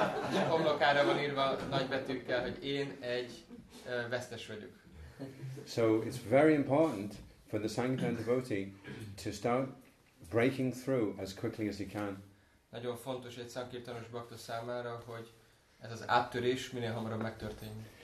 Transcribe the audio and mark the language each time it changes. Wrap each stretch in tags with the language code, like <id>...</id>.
<hu>És homlokára van írva nagy betűkkel, hogy én egy vesztes vagyok.</hu> <en>So it's very important for the Sankirtan devotee to start breaking through as quickly as he can.</en> <hu>Nagyon fontos egy szankirtanos bakta számára, hogy ez az áttörés minél hamarabb megtörténjen.</hu>